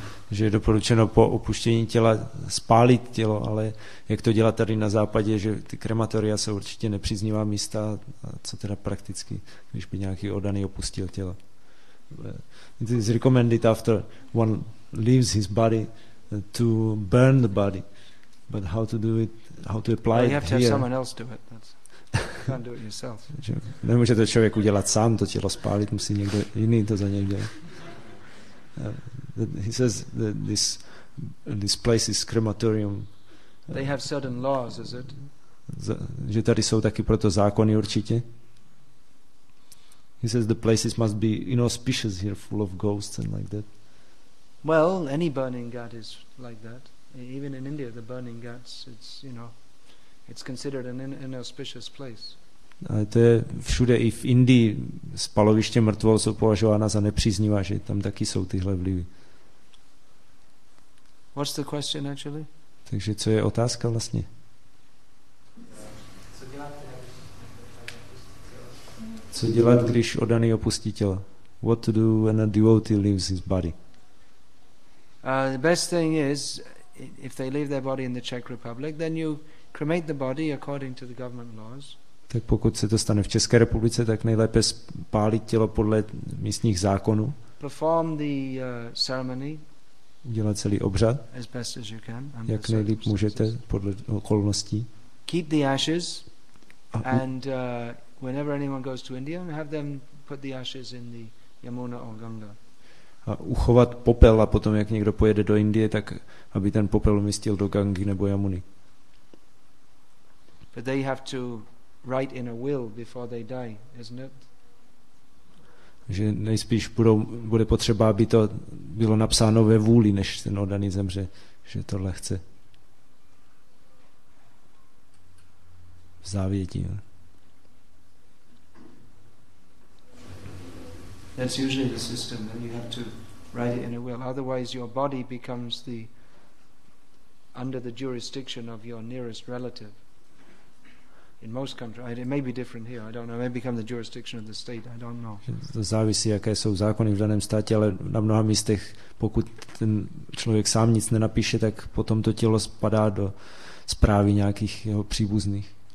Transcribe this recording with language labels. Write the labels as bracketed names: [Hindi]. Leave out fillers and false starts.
[Czech] Že je doporučeno po opuštění těla spálit tělo, ale jak to dělat tady na západě, že ty krematoria jsou určitě nepříznivá místa, co teda prakticky, když by nějaký oddaný opustil tělo. [English] It is recommended after one leaves his body to burn the body, but how to do it, how to apply it here. You have to have someone else do it. You can't do it yourself. [Czech] Nemůže to člověk udělat sám, to tělo spálit, musí někdo jiný to za něj dělat. [English] He says that this place is crematorium. They have certain laws, is it? [Czech] Že tady jsou taky proto zákony určitě. [English] He says the places must be inauspicious here, full of ghosts and like that. Well, any burning ghat is like that. Even in India, the burning ghats, it's considered an inauspicious place. [Czech] A to je všude, i v Indii spaloviště mrtvol jsou považována za nepříznivá, že tam taky jsou tyhle vlivy. [English] What's the question actually? [Czech] Takže co je otázka vlastně? Co dělat, když oddaný opustí tělo? [English] What to do when a devotee leaves his body? The best thing is, if they leave their body in the Czech Republic, then you cremate the body according to the government laws. [Czech] Tak pokud se to stane v České republice, tak nejlépe spálit tělo podle místních zákonů. [English] Perform the ceremony. [Czech] Udělat celý obřad. [English] As best as you can. [Czech] Jak nejlíp můžete podle okolností. [English] Keep the ashes and whenever anyone goes to India, have them put the ashes in the Yamuna or Ganga. [Czech] A uchovat popel a potom, jak někdo pojede do Indie, tak aby ten popel umístil do Gangy nebo Yamuny. [English] But they have to write in a will before they die, isn't it? [Czech] Že nejspíš bude potřeba, aby to bylo napsáno ve vůli, než ten oddaný zemře, že to lehce. V závěti. Jo. [English] That's usually the system, that you have to write it in a will. Otherwise your body becomes the under the jurisdiction of your nearest relative. In most countries, it may be different here, I don't know, it may become the jurisdiction of the state, I don't know. [Czech] To závisí, jaké jsou zákony v daném státě, ale na mnoha místech, pokud ten člověk sám nic nenapíše, tak potom to tělo spadá do správy nějakých jeho příbuzných.